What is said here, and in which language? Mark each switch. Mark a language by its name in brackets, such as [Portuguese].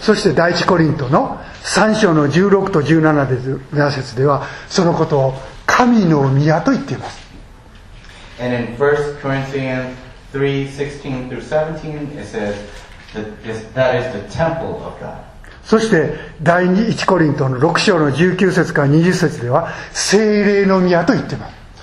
[Japanese] そして第一コリントの3章の16と17節ではそのことを神の宮と言っています。 [English] And in 1 Corinthians 3:16-17 it says that is the temple of God. [Japanese] そして第1コリントの6章の19節から20節では聖霊の宮と言っています